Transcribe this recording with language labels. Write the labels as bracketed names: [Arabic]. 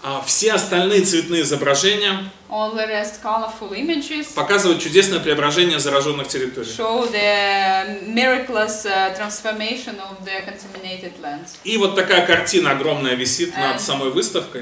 [Russian] Все остальные цветные изображения. [English] All the rest colorful images. [Russian] Показывают чудесное преображение зараженных территорий. [English] Show the miraculous transformation of the contaminated lands. [Russian] И вот такая картина огромная висит and над самой выставкой.